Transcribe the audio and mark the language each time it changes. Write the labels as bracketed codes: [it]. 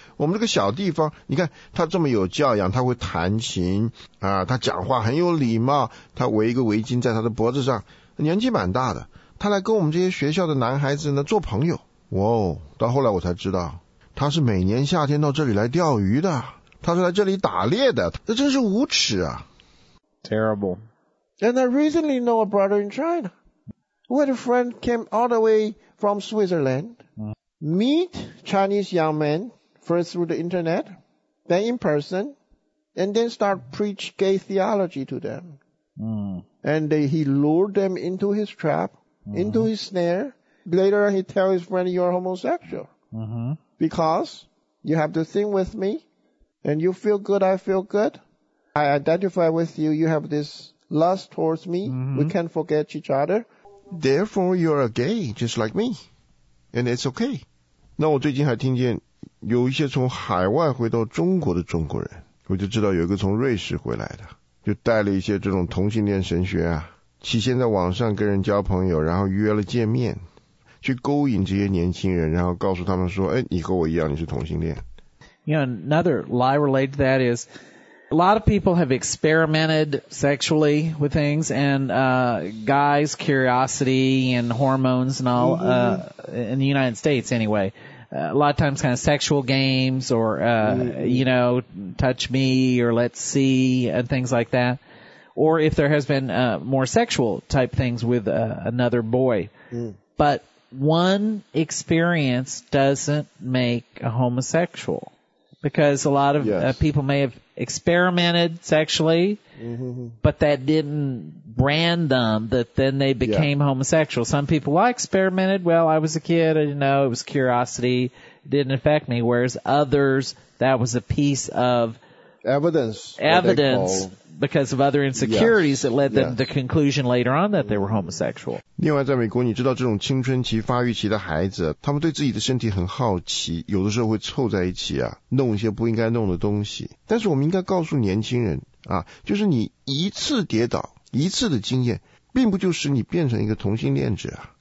[zh] 我们这个小地方，你看他这么有教养，他会弹琴啊，他讲话很有礼貌，他围一个围巾在他的脖子上，年纪蛮大的，他来跟我们这些学校的男孩子呢做朋友。哇、哦，到后来我才知道，他是每年夏天到这里来钓鱼的，他是来这里打猎的，这真是无耻啊 [en] ！Terrible. And I recently know a brother in China. We had a friend came all the way from Switzerland, meet Chinese young men first through the internet, then in person, and then start preach gay theology to them. And he lured them into his trap, into his snare. Later, he tell his friend you're homosexual. Because you have to sing with me, and you feel good, I feel good. I identify with you, you have this lust towards me, we can't forget each other. Therefore, you're a gay, just like me. And it's okay. [zh] 那我最近还听见有一些从海外回到中国的中国人，我就知道有一个从瑞士回来的，就带了一些这种同性恋神学啊，起先在网上跟人交朋友，然后约了见面，去勾引这些年轻人，然后告诉他们说，哎，你和我一样，你是同性恋。 [en] You know, another lie related to that is a lot of people have experimented sexually with things and guys' curiosity and hormones and all in the United States anyway. A lot of times kind of sexual games or, you know, touch me or let's see and things like that. Or if there has been more sexual type things with another boy. But one experience doesn't make a homosexual. Because a lot of people may have experimented sexually, but that didn't brand them that then they became homosexual. Some people, well, I experimented. Well, I was a kid. I didn't know. It was curiosity. It didn't affect me. Whereas others, that was a piece of evidence because of other insecurities that led them to the conclusion later on that they were homosexual. [zh] 另外在美国你知道这种青春期发育期的孩子他们对自己的身体很好奇有的时候会凑在一起啊弄一些不应该弄的东西。但是我们应该告诉年轻人啊就是你一次跌倒一次的经验并不就使你变成一个同性恋者啊。